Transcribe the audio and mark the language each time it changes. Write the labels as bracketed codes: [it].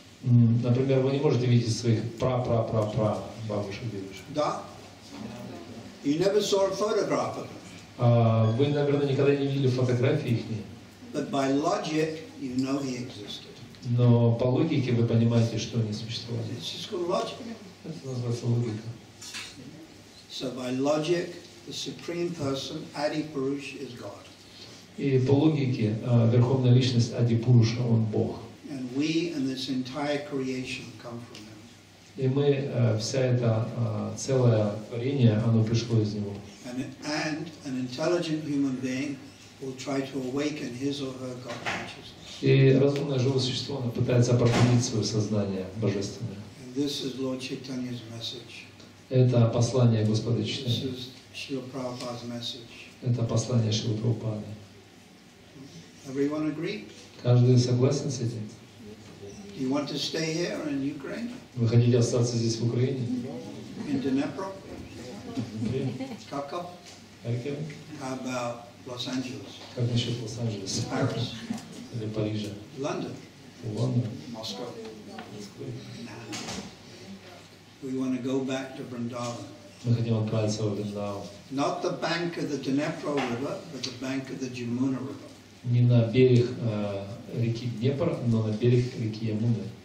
[ru] Например, вы не можете видеть своих пра-пра-пра-пра бабушек, дедушек. Да. [en] You never saw a photograph of them. [ru] Вы, наверное, никогда не видели фотографии их. [en] But by logic, you know he existed. [ru] Но по логике вы понимаете, что они существовали. [en] It's just called logic. [ru] Это называется логика. [en] So by logic, the supreme person Adi Purush is God. [ru] И по логике верховная личность Ади Пуруша он Бог. [en] And we and this entire creation come from him. [ru] И мы вся эта целое творение оно пришло из него. [en] And an intelligent human being will try to awaken his or her God consciousness. [ru] И разумное живое существо оно пытается пробудить свое сознание божественное. [en] This is Lord Chaitanya's message. [ru] Это послание Господа Чайтаньи. [en] This is Srila Prabhupada's message. [ru] Это послание Шрилы Прабхупады. [en] Everyone agree? [ru] Каждый согласен с этим? [en] You want to stay here in Ukraine? [ru] Вы хотите остаться здесь в Украине? [en] In Dnepro? Kharkov? How about Los Angeles? [ru] Как насчет Лос-Анджелеса? [en] Paris? [ru] Или Парижа? [en] London? [ru] Лондон? [en] Moscow? We want to go back to Vrindavan. [ru] Мы хотим отправиться в Вриндаван. [en] Not the bank of the Dnepro River, but the bank of the Yamuna River. [ru] Не на берег реки Днепр, но на берег реки Ямуны.